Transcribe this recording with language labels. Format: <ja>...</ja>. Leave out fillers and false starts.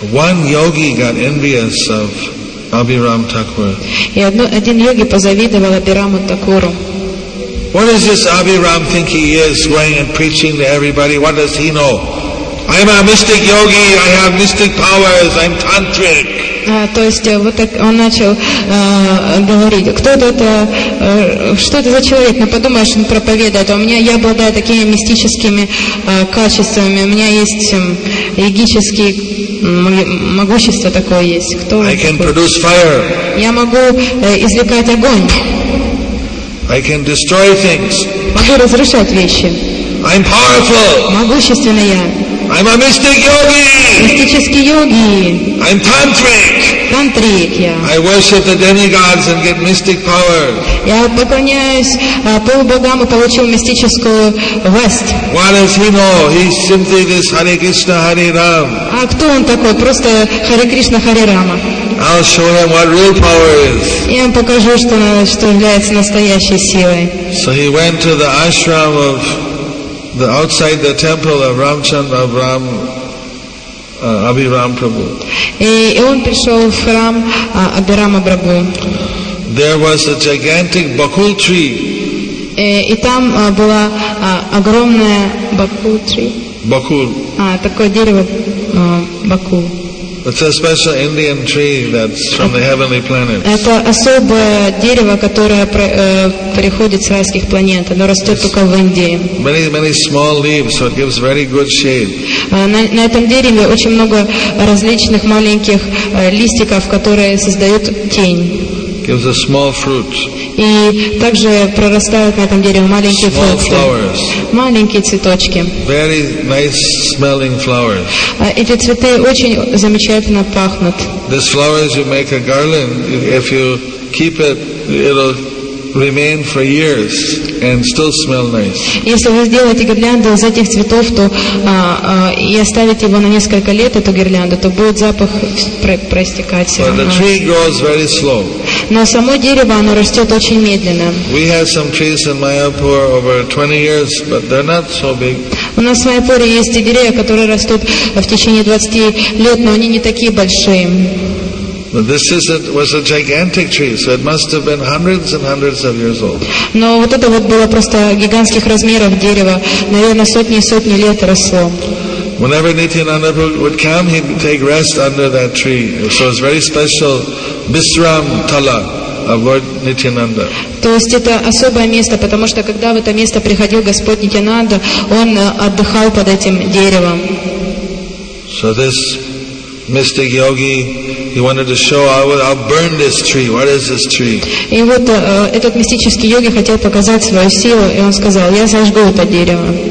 <en>One yogi got envious of Abhiram Thakur.</en> <ru>И один йоги позавидовал Абхираму Такуру.</ru> <en>What does this Abhiram think he is, going and preaching to everybody? What does he know? I'm a mystic yogi, I have mystic powers, I'm tantric.</en> <ru>То есть вот так он начал говорить, кто это, что это за человек, ну подумаешь, он проповедует, а у меня, я обладаю такими мистическими качествами, у меня есть йогические могущества такое есть. Кто</ru> <en>I can produce fire.</en> <ru>Я могу извлекать огонь.</ru> <en>I can destroy things.</en> <ru>Могу разрушать вещи.</ru> <en>I'm powerful.</en> <ru>Могущественный я.</ru> <en>I'm a mystic yogi.</en> <ru>Мистический йоги.</ru> <en>I'm tantric.</en> <ru>Тантрик я.</ru> <en>I worship the demigods and get mystic power.</en> <ru>Я поклоняюсь полубогам и получил мистическую власть.</ru> <en>What does he know? He's simply this Hare Krishna, Hare Ram.</en> <ru>А кто он такой? Просто Харе Кришна, Харе Рама.</ru> <en>I'll show him what real power is.</en> <ru>Я ему покажу, что является настоящей силой.</ru> <en>So he went to the ashram of the outside the temple of Ramchandra Ram Abhiram Prabhu.</en> <ru>И он пришел в храм Абхирама Прабху.</ru> <en>There was a gigantic bakul tree.</en> <ru>И там была огромная</ru> <en>bakul tree. Bakul.</en> <ru>Такое дерево bakul.</ru> <en>It's a special Indian tree that's from the heavenly planets.</en> <ru>Это особое дерево, которое приходит с райских планет. Оно растет только в Индии.</ru> <en>Many, many small leaves, so it gives very good shade.</en> <ru>На этом дереве очень много различных маленьких листиков, которые создают тень.</ru> <en>Gives a small fruit.</en> <ru>И также прорастают на этом дереве маленькие</ru> <en>small</en> <ru>цветы.</ru> <en>Flowers.</en> <ru>Маленькие цветочки.</ru> <en>Very nice smelling flowers.</en> <ru>Эти цветы очень замечательно пахнут.</ru> <en>These flowers you make a garland. If you keep it, it'll remain for years and still smell nice.</en> <ru>Если вы сделаете гирлянду из этих цветов, то и оставите его на несколько лет, эту гирлянду, то будет запах проистекать все равно.</ru> <en>But the tree grows very slow.</en> <ru>Но само дерево, оно растет очень медленно.</ru> <en>We have some trees in Mayapur over 20 years, but they're not so big.</en> <ru>У нас в Майапуре есть деревья, которые растут в течение 20 лет, но они не такие большие.</ru> <en>But this is it was a gigantic tree, so it must have been hundreds and hundreds of years old.</en> <ru>Но вот это вот было просто гигантских размеров дерево, наверное, сотни и сотни лет росло.</ru> <en>Whenever Nityananda would come, he'd take rest under that tree. So it's very special Bisram Tala of Lord Nityananda.</en> <ru>То есть это особое место, потому что когда в это место приходил Господь Нитянанда, он отдыхал под этим деревом.</ru> <en>So this mystic yogi, he wanted to show, I'll burn this tree. What is this tree?</en> <ru>И вот этот мистический йоги хотел показать свою силу, и он сказал, я сожгу это дерево.</ru>